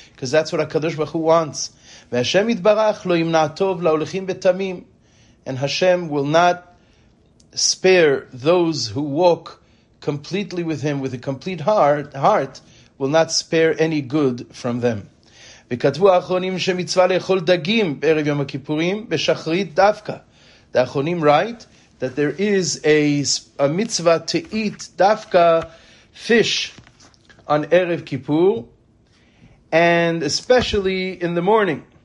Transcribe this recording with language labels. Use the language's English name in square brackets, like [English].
[English] Because that's what HaKadosh Baruch Hu wants. [Hebrew] V'Hashem yitbarach lo yimna tov la'olechim betamim. [English] And Hashem will not spare those who walk completely with Him, with a complete heart, will not spare any good from them. [Hebrew] וכתבו האחרונים שמצווה לאכול דגים בערב יום הכיפורים בשחרית דווקא. [English] The האחרונים write that there is a mitzvah to eat דווקא fish on ערב כיפור, and especially in the morning.